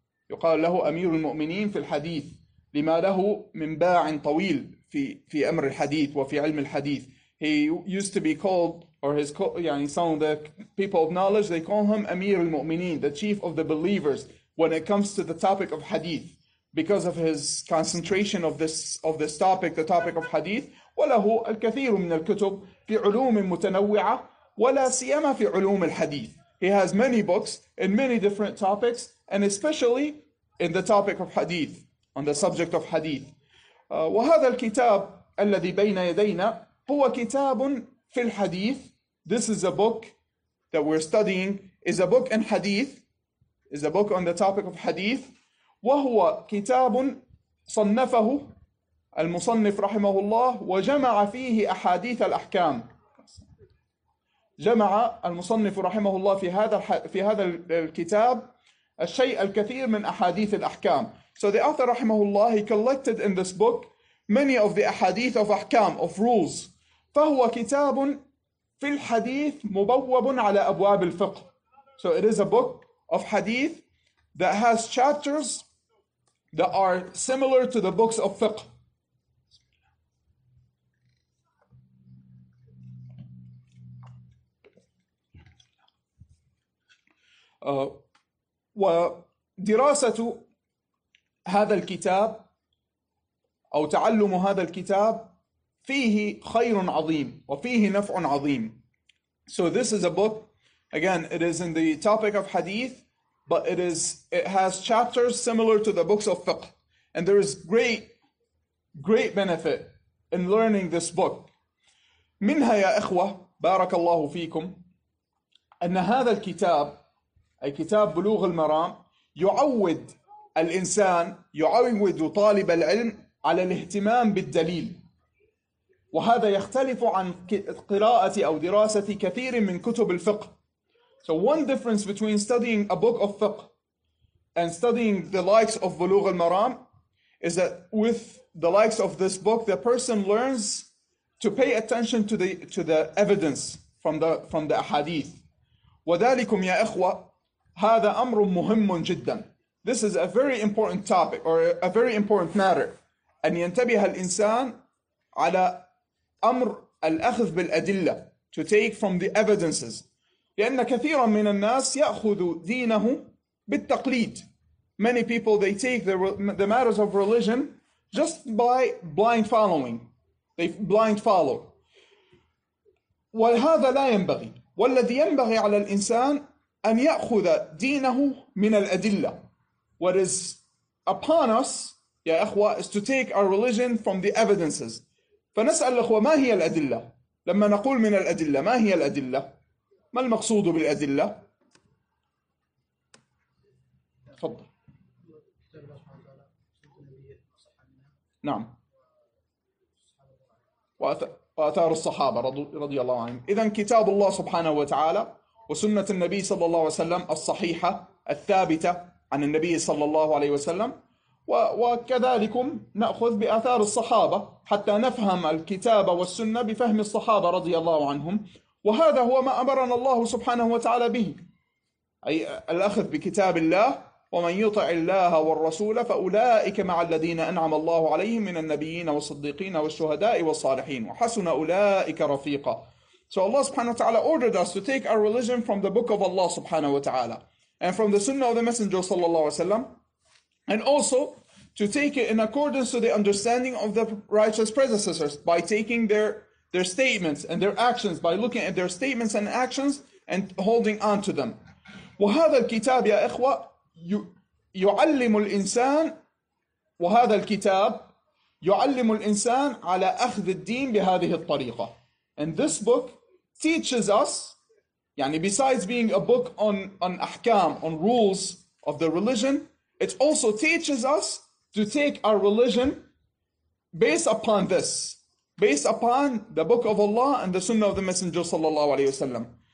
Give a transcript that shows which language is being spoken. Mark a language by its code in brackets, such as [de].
[ar] يقال له أمير المؤمنين في الحديث لما له من باع طويل في أمر الحديث وفي علم الحديث. [en] He used to be called, or his, يعني some of the people of knowledge, they call him Amir al-Mu'mineen, the chief of the believers, when it comes to the topic of hadith, because of his concentration of this topic, the topic of hadith. [ar] وله الكثير من الكتب في علوم متنوعة ولا سيما في علوم الحديث. [en] He has many books in many different topics, and especially in the topic of hadith, on the subject of hadith. [ar] وهذا الكتاب الذي بين يدينا هو كتاب في الحديث. [en] This is a book that we're studying. Is a book in hadith. Is a book on the topic of hadith. [ar] وهو كتاب صنفه المصنف رحمه الله وجمع فيه أحاديث الأحكام. جمع المصنف رحمه الله في هذا في هذا الكتاب الشيء الكثير من أحاديث الأحكام. [en] So the author [ar] رحمه الله, [en] he collected in this book many of the أحاديث of أحكام, of rules. [ar] فهو كتاب في الحديث مبوب على أبواب الفقه. [en] So it is a book of hadith that has chapters that are similar to the books of fiqh. [ar] ودراسة هذا الكتاب أو تعلم هذا الكتاب فيه خير عظيم وفيه نفع عظيم. [en] So this is a book, again, it is in the topic of hadith, but it has chapters similar to the books of fiqh. And there is great, great benefit in learning this book. [ar] منها يا إخوة بارك الله فيكم أن هذا الكتاب أي كتاب بلوغ المرام يعود الإنسان يعود طالب العلم على الاهتمام بالدليل. وهذا يختلف عن قراءة أو دراسة كثير من كتب الفقه. [en] So one difference between studying a book of fiqh and studying the likes of Buloogh Al-Maram is that with the likes of this book, the person learns to pay attention to the evidence from the ahadith. [ar] وَذَلِكُمْ يَا إِخْوَةَ هَذَا أَمْرٌ مُهِمٌ جِدًّا. [en] This is a very important topic or a very important matter. [ar] أن ينتبه الإنسان على أمر الأخذ بالأدلة, [en] to take from the evidences. [ar] لأن كثيرا من الناس يأخذ دينه بالتقليد. [en] Many people, they take the matters of religion just by blind following. They blind follow. [ar] وهذا لا ينبغي. والذي ينبغي على الإنسان أن يأخذ دينه من الأدلة. [en] What is upon us, [ar] يا أخوة, [en] is to take our religion from the evidences. [ar] فنسأل الأخوة, ما هي الأدلة؟ لما نقول من الأدلة, ما هي الأدلة؟ ما المقصود بالأدلة؟ تفضل. نعم. وآثار الصحابة رضي الله عنهم. إذن كتاب الله سبحانه وتعالى وسنة النبي صلى الله عليه وسلم الصحيحة الثابتة عن النبي صلى الله عليه وسلم, وكذلك نأخذ بآثار الصحابة حتى نفهم الكتاب والسنة بفهم الصحابة رضي الله عنهم. وهذا هو ما أمرنا الله سبحانه وتعالى به, أي الأخذ بكتاب الله. ومن يطع الله والرسول فأولئك مع الذين أنعم الله عليهم من النبيين والصديقين والشهداء والصالحين وحسن أولئك رفيقا. [en] So Allah subhanahu wa ta'ala ordered us to take our religion from the book of Allah subhanahu wa ta'ala and from the sunnah of the messenger sallallahu alayhi wa sallam, and also to take it in accordance to the understanding of the righteous predecessors by taking their statements and their actions, by looking at their statements and actions and holding on to them. [ar] وهذا الكتاب يا إخوة يعلم الإنسان, وهذا الكتاب يعلم الإنسان على أخذ الدين بهذه الطريقة. [en] And this book teaches us, يعني besides being a book on أحكام, on rules of the religion, it also teaches us to take our religion based upon this, based upon the book of Allah and the sunnah of the messenger [ar] صلى الله عليه وسلم.